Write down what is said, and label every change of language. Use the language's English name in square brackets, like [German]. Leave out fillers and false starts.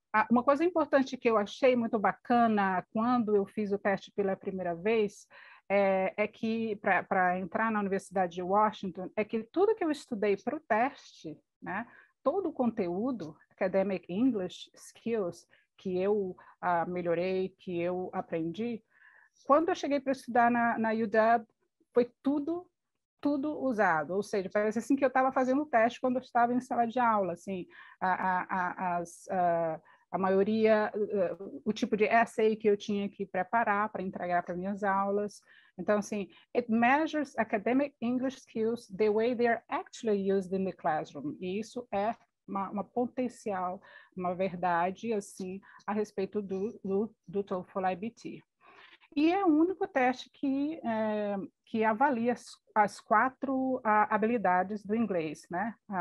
[Portuguese] Uma coisa importante que eu achei muito bacana quando eu fiz o teste pela primeira vez é que, para entrar na Universidade de Washington, é que tudo que eu estudei para o teste, né, todo o conteúdo, Academic English Skills, que eu melhorei, que eu aprendi, quando eu cheguei para estudar na UW, foi tudo usado, ou seja, parece assim que eu estava fazendo o teste quando eu estava em sala de aula, assim, a maioria, o tipo de essay que eu tinha que preparar para entregar para minhas aulas. Então, assim, [English] it measures academic English skills the way they are actually used in the classroom. [Portuguese] E isso é uma potencial, uma verdade, assim, a respeito do TOEFL IBT. E é o único teste que avalia as quatro habilidades do inglês, né?